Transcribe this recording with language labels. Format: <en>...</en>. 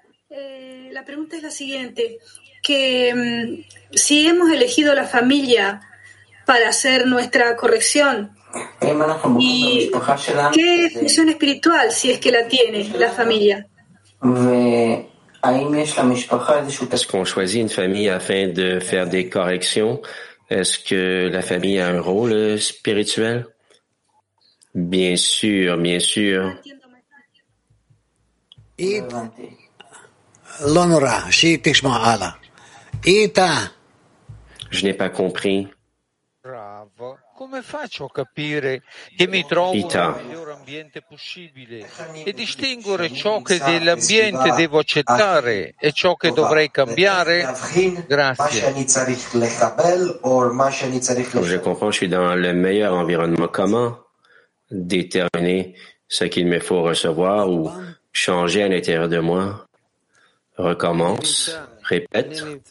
<es>La pregunta es la siguiente, que si hemos elegido la familia para hacer nuestra corrección, ¿y qué función espiritual si es que la tiene la familia?</es> <fr>Est-ce qu'on choisit une famille afin de faire des corrections? Est-ce que la famille a un rôle spirituel? Bien sûr, bien sûr. Et... Lonora, si tishma ala. Ita. Je n'ai pas compris. Bravo.</fr> <it>Come faccio a capire che mi trovo nel miglior ambiente possibile e distinguere ciò che dell'ambiente devo accettare e ciò che dovrei cambiare? Grazie.</it> <fr>Je comprends, je suis dans le meilleur environnement. Comment déterminer ce qu'il me faut recevoir ou changer à l'intérieur de moi? Recommence, répète.</fr>